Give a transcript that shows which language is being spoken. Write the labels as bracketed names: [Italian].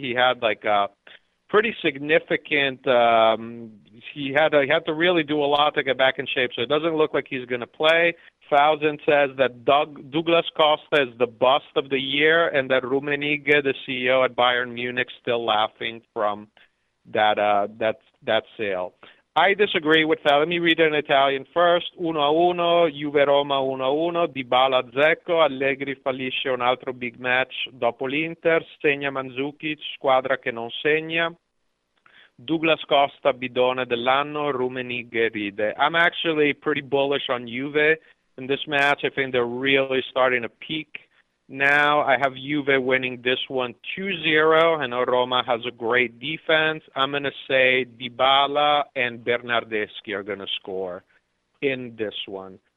[English] He had like a pretty significant he had to really do a lot to get back in shape, so it doesn't look like he's going to play. Thousand says that Douglas Costa is the bust of the year and that Rummenigge, the CEO at Bayern Munich, still laughing from that sale. I disagree with that. Let me read it in Italian first. [Italian] 1-1, Juve-Roma 1-1, Dybala-Dzeko, Allegri fallisce un altro big match dopo l'Inter, segna Mandzukic, squadra che non segna. Douglas Costa, bidone dell'anno, Rummenigge ride. [English] I'm actually pretty bullish on Juve in this match. I think they're really starting to peak now. I have Juve winning this one 2-0. I know Roma has a great defense. I'm going to say Dybala and Bernardeschi are going to score in this one.